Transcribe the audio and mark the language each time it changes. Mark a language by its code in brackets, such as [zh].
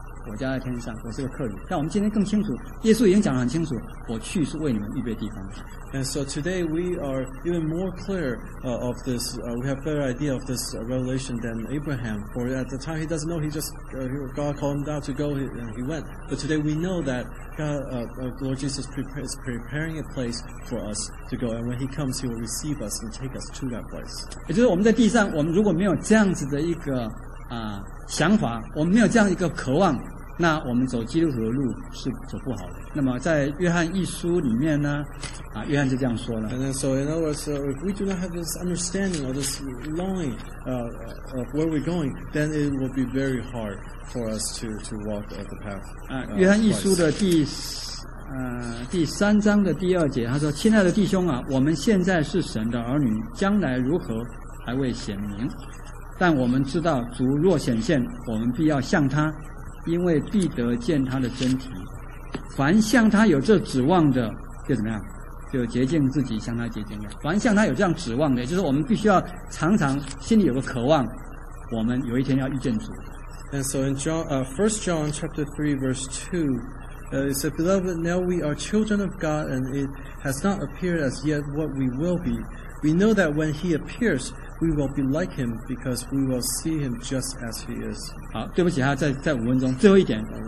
[zh] 我家在天上，我是个客旅。但我们今天更清楚，耶稣已经讲得很清楚，我去是为你们预备地方。 [en] And so today we are even more clear of this. We have better idea of this revelation than Abraham. For at the time he doesn't know, God called him out to go, and he went. But today we know that Lord Jesus is preparing a place for us to go. And when he comes, he will receive us and take us to that place. [zh] 也就是我们在地上，我们如果没有这样子的一个想法，我们没有这样一个渴望，那我们走基督徒的路是走不好的。那么在约翰一书里面呢，啊，约翰就这样说了。 [en] And then, so in other words, if we do not have this understanding or this longing, of where we're going, then it will be very hard for us to walk the path. [zh] 约翰一书的第三章的第二节，他说：“亲爱的弟兄啊，我们现在是神的儿女，将来如何还未显明，但我们知道主若显现，我们必要像他，因为必得见他的真体。凡像他有这指望的，就怎么样？就洁净自己，像他洁净的。凡像他有这样指望的，就是我们必须要常常心里有个渴望，我们有一天要遇见主。” [en] And so in John, First John chapter 3 verse 2. It said, Beloved, now we are children of God, and it has not appeared as yet what we will be. We know that when He appears, we will be like Him, because we will see Him just as He is. [zh] 好，对不起，还要再五分钟，最后一点。